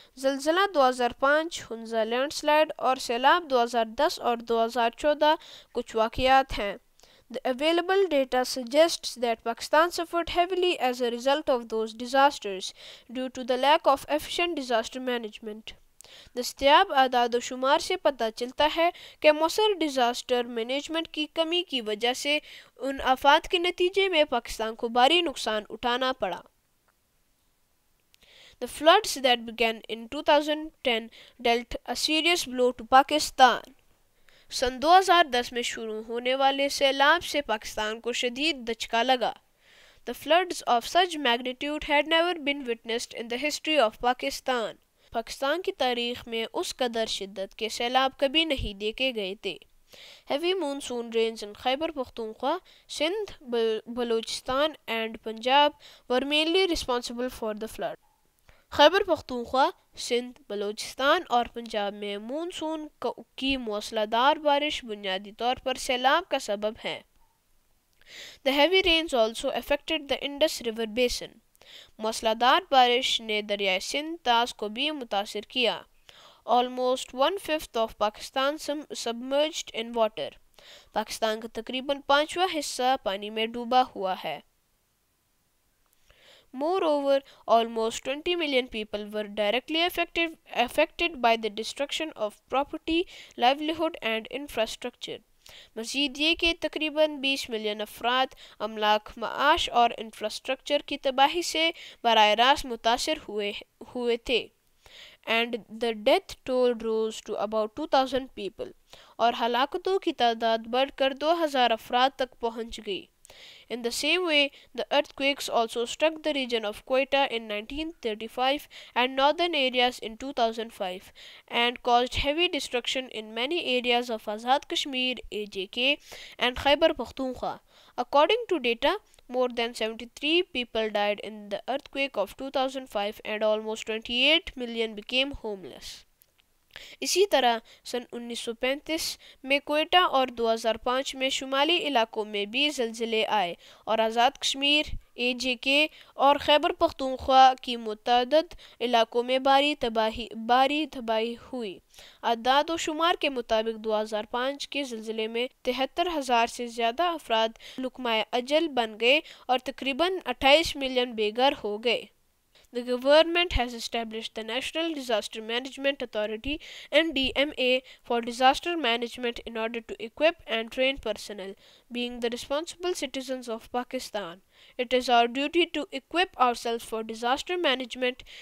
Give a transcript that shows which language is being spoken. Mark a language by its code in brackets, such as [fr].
[ur] زلزلہ 2005، Hunza landslide اور سیلاب 2010 اور 2014 کچھ واقعات ہیں. [en] The available data suggests that Pakistan suffered heavily as a result of those disasters due to the lack of efficient disaster management. [ur] دستیاب اعداد و شمار سے پتہ چلتا ہے کہ موثر ڈیزاسٹر مینجمنٹ کی کمی کی وجہ سے ان آفات کے نتیجے میں پاکستان کو بھاری نقصان اٹھانا پڑا. [en] The floods that began in 2010 dealt a serious blow to Pakistan. [ur] سن 2010 میں شروع ہونے والے سیلاب سے پاکستان کو شدید دھچکا لگا. [en] The floods of such magnitude had never been witnessed in the history of Pakistan. [ur] Pakistan کی تاریخ میں اس قدر شدت کے سیلاب کبھی نہیں دیکھے گئے تھے. [en] Heavy monsoon rains in Khyber Pakhtunkhwa, Sindh, Balochistan and Punjab were mainly responsible for the flood. [ur] Khyber Pakhtunkhwa, Sindh, Balochistan اور پنجاب میں مونسون کی موصلہ دار بارش بنیادی طور پر سیلاب کا سبب ہے. [en] The heavy rains also affected the Indus river basin. [ur] موصلہ دار بارش نے دریائے سندھ تاس کو بھی متاثر کیا. [en] Almost one fifth of Pakistan submerged in water. [ur] Pakistan کا تقریباً پانچواں حصہ پانی میں ڈوبا ہوا ہے. [en] Moreover, almost 20 million people were directly affected by the destruction of property, livelihood and infrastructure. [ur] مزید یہ کہ تقریباً 20 ملین افراد املاک، معاش اور انفراسٹرکچر کی تباہی سے براہ راست متاثر ہوئے تھے. [en] And the death toll rose to about 2000 people. [ur] اور ہلاکتوں کی تعداد بڑھ کر 2000 افراد تک پہنچ گئی. [en] In the same way, the earthquakes also struck the region of Quetta in 1935 and northern areas in 2005 and caused heavy destruction in many areas of Azad Kashmir, AJK, and Khyber Pakhtunkhwa. According to data, more than 73 people died in the earthquake of 2005 and almost 28 million became homeless. [ur] اسی طرح سن 1935 میں کوئٹا اور 2005 میں شمالی علاقوں میں بھی زلزلے آئے اور آزاد کشمیر، اے جے کے اور خیبر پختونخوا کی متعدد علاقوں میں باری تباہی ہوئی. اعداد و شمار کے مطابق 2005 کے زلزلے میں 73,000 سے زیادہ افراد لقمہ اجل بن گئے اور تقریباً 28 ملین بے گھر ہو گئے. [en] The government has established the National Disaster Management Authority, NDMA, for disaster management in order to equip and train personnel, being the responsible citizens of Pakistan. It is our duty to equip ourselves for disaster management.